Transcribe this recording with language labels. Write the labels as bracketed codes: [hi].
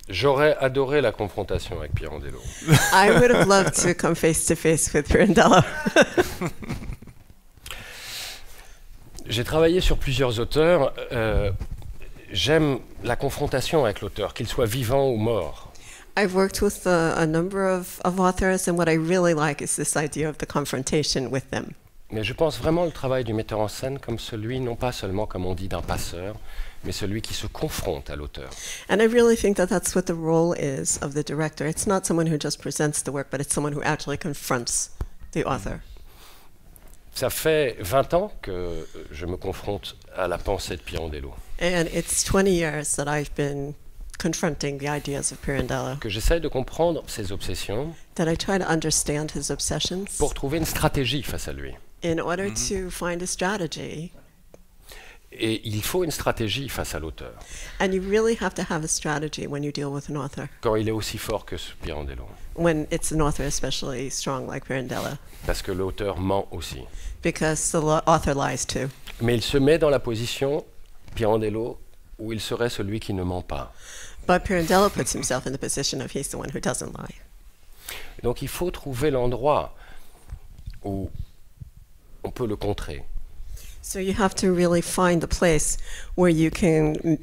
[fr] J'aurais adoré la confrontation avec Pirandello. [en] I would have loved to come face to face with Pirandello. [fr] J'ai travaillé sur plusieurs auteurs. J'aime la confrontation avec l'auteur, qu'il soit vivant ou mort. [en] I've worked with a number of authors, and what I really like is this idea of the confrontation with them. [fr] Mais je pense vraiment le travail du metteur en scène comme celui, non pas seulement comme on dit d'un passeur, mais celui qui se confronte à l'auteur. [en] And I really think that that's what the role is of the director. It's not someone who just presents the work, but it's someone who actually confronts the author. [fr] Ça fait 20 ans que je me confronte à la pensée de Pirandello. [en] And it's 20 years that I've been confronting the ideas of Pirandello. [fr] Que j'essaie de comprendre ses obsessions. [en] That I try to understand his obsessions. [fr] Pour trouver une stratégie face à lui. [en] In order mm-hmm. to find a strategy. [fr] Et il faut une stratégie face à l'auteur. [en] And you really have to have a strategy when you deal with an author. [fr] Quand il est aussi fort que Pirandello. [en] When it's an author especially strong like Pirandello. [fr] Parce que l'auteur ment aussi. [en] Because the author lies too. [fr] Mais il se met dans la position Pirandello où il serait celui qui ne ment pas. [en] But Pirandello puts himself in the position of he's the one who doesn't lie. [fr] Donc il faut trouver l'endroit où on peut le contrer. [en] So you have to really find the place where you can